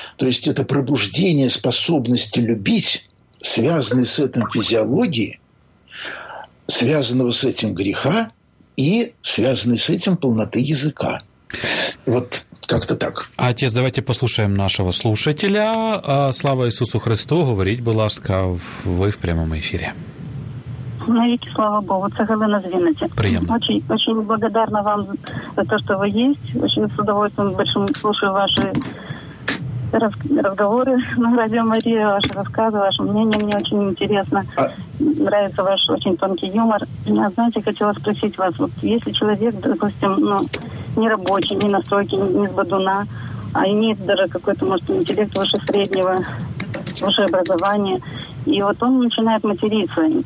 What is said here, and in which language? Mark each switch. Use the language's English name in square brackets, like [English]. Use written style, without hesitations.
[Russian] То есть это пробуждение способности любить, связанной с этим физиологией, связанного с этим греха и связанной с этим полноты языка. Вот как-то так. А отец, давайте послушаем нашего слушателя. [Ukrainian] Слава Иисусу Христу, говорить, будь ласка, ви в прямому ефірі. Навіки, слава Богу, це Галина з Вінниці. Приємно. Дуже благодарна вам за те, що ви є. Дуже з [Russian] удовольствием большим слушаю [Ukrainian] ваші [Russian] разговоры на радио Мария, ваши рассказы, ваше мнение мне очень интересно. Нравится ваш очень тонкий юмор. Я, знаете, хотела спросить вас, вот если человек, допустим, ну, не рабочий, не на стройке, не с бодуна, а имеет даже какой-то, может, интеллект выше среднего, выше образования, и вот он начинает материться.